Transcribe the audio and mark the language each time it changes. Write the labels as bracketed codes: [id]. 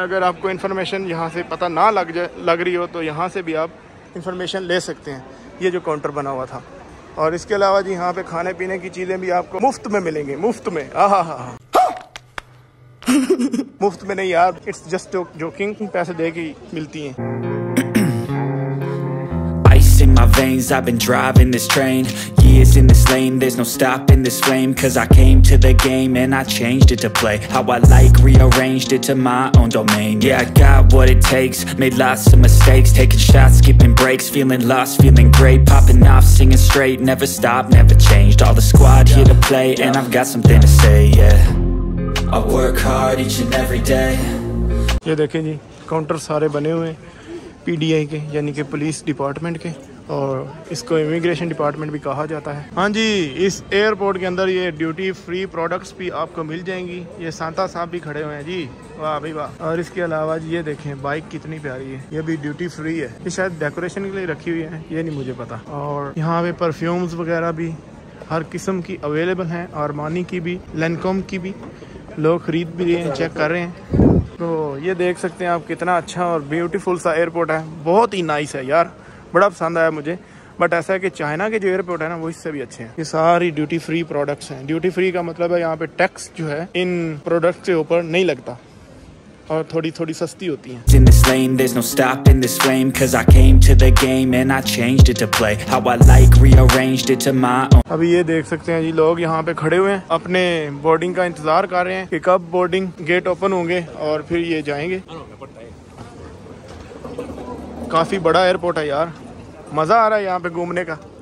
[hi] अगर आपको इन्फॉर्मेशन यहाँ से पता ना लग रही हो तो यहाँ से भी आप इन्फॉर्मेशन ले सकते हैं, ये जो काउंटर बना हुआ था। और इसके अलावा जी यहाँ पे खाने पीने की चीज़ें भी आपको मुफ्त में मिलेंगे, मुफ्त में। मुफ्त में नहीं यार, [en] it's just joking, [hi] पैसे दे के मिलती हैं। [en] In my veins, I've been driving this train. Years in this lane, there's no stopping this flame. 'Cause I came to the game and I changed it to play. How I like, rearranged it to my own domain. Yeah, I got what it takes, made lots of mistakes. Taking shots, skipping breaks, feeling lost, feeling great. Popping off, singing straight, never stopped, never changed. All the squad here to play and I've got something to say, yeah. I work hard each and every day. [hi] Yeah, देखें जी, counters सारे बने हुए PDI के, यानी कि police department के, और इसको इमिग्रेशन डिपार्टमेंट भी कहा जाता है। हाँ जी, इस एयरपोर्ट के अंदर ये ड्यूटी फ्री प्रोडक्ट्स भी आपको मिल जाएंगी। ये सांता साहब भी खड़े हुए हैं जी, वाह भाई वाह। और इसके अलावा जी ये देखें बाइक कितनी प्यारी है, ये भी ड्यूटी फ्री है, ये शायद डेकोरेशन के लिए रखी हुई है, ये नहीं मुझे पता। और यहाँ पे परफ्यूम्स वगैरह भी हर किस्म की अवेलेबल हैं, आर्मानी की भी, लैनकोम की भी, लोग खरीद भी रहे हैं, चेक कर रहे हैं। तो ये देख सकते हैं आप कितना अच्छा और ब्यूटीफुल सा एयरपोर्ट है, बहुत ही नाइस है यार, बड़ा पसंद आया मुझे। बट ऐसा है कि चाइना के जो एयरपोर्ट है ना, वो इससे भी अच्छे हैं। ये सारी ड्यूटी फ्री प्रोडक्ट्स हैं, ड्यूटी फ्री का मतलब है यहाँ पे टैक्स जो है इन प्रोडक्ट्स के ऊपर नहीं लगता और थोड़ी थोड़ी सस्ती होती है। [en] Lane, there's no stopping this flame, 'cause I came to the game and I changed it to play how I like, rearranged it to my own. [hi] अभी ये देख सकते हैं जी, लोग यहाँ पे खड़े हुए हैं अपने बोर्डिंग का इंतजार कर रहे हैं कि कब बोर्डिंग गेट ओपन होंगे और फिर ये जाएंगे। काफी बड़ा एयरपोर्ट है यार, मजा आ रहा है यहाँ पे घूमने का।